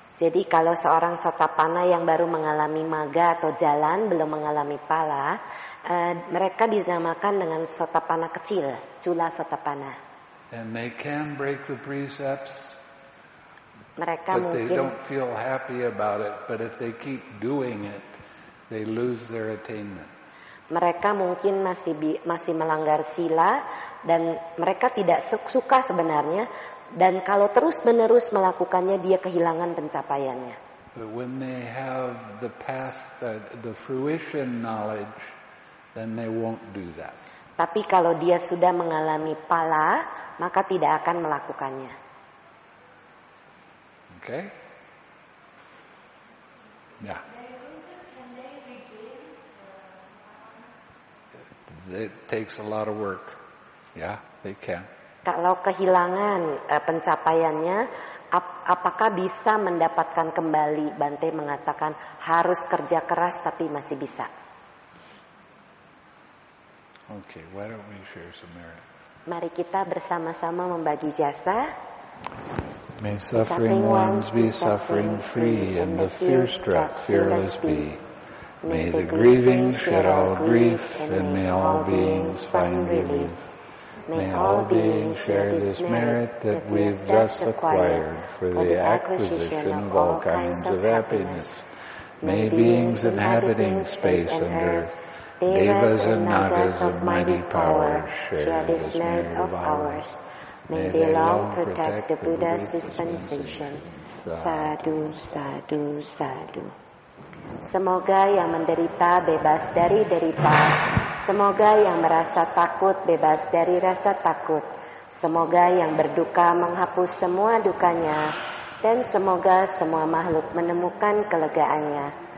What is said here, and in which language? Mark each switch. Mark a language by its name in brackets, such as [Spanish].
[Indonesian] Jadi kalau seorang Sotapanna yang baru mengalami maga atau jalan belum mengalami pala, mereka dinamakan dengan Sotapanna kecil, chula Sotapanna. [English] And they can break the precepts. [Indonesian] Mereka [English] but [Indonesian] mungkin, [English] they don't feel happy about it, but if they keep doing it, they lose their attainment. [Indonesian] Mereka mungkin masih melanggar sila, dan mereka tidak suka sebenarnya, dan kalau terus-menerus melakukannya, dia kehilangan pencapaiannya. [English] But when they have the path, the fruition knowledge, then they won't do that. [Indonesian] Tapi kalau dia sudah mengalami pala, maka tidak akan melakukannya. [English] Okay. Yeah. It takes a lot of work. Yeah, they can. [Indonesian] Kalau kehilangan pencapaiannya, apakah bisa mendapatkan kembali? Bante mengatakan harus kerja keras, tapi masih bisa. [English] Okay, why don't we share some merit? [Indonesian] Mari kita bersama-sama membagi jasa. [English] May suffering ones be suffering free, and the fear-struck fearless be. May the grieving shed all grief, and may all beings find relief. May all beings share this merit that we've thus acquired for the acquisition of all kinds of happiness. May beings inhabiting space and earth, devas and nagas of mighty power, share this merit of ours. May the law protect the Buddha's dispensation. [Pali] Sadhu, sadhu, sadhu. [Indonesian] Semoga yang menderita bebas dari derita. Semoga yang merasa takut bebas dari rasa takut. Semoga yang berduka menghapus semua dukanya. Dan semoga semua makhluk menemukan kelegaannya.